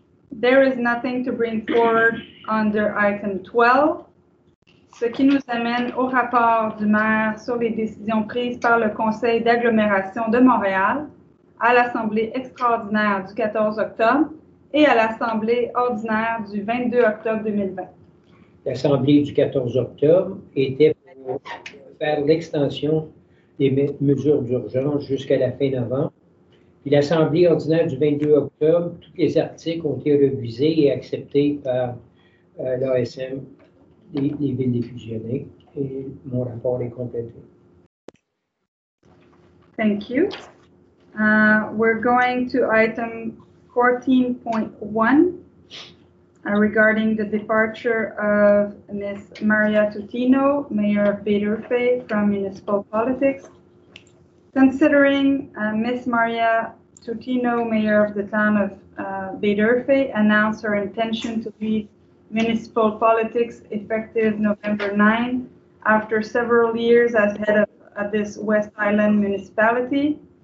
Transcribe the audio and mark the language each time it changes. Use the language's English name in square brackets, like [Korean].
[English] There is nothing to bring forward under item 12. [French] Ce qui nous amène au rapport du maire sur les décisions prises par le Conseil d'agglomération de Montréal à l'Assemblée extraordinaire du 14 octobre et à l'Assemblée ordinaire du 22 octobre 2020. L'Assemblée du 14 octobre était pour faire l'extension des mesures d'urgence jusqu'à la fin novembre. Puis l'Assemblée ordinaire du 22 octobre, tous les articles ont été revisés et acceptés par l'ASM. Les villes diffusionnées et mon rapport est complété. [English] Thank you. We're going to item 14.1 regarding the departure of Ms. Maria Tutino, Mayor of Bader Faye from Municipal Politics. Considering Ms. Maria Tutino, Mayor of the Town of Bader Faye, announced her intention to leave Municipal Politics effective November 9, after several years as head of this West Island municipality.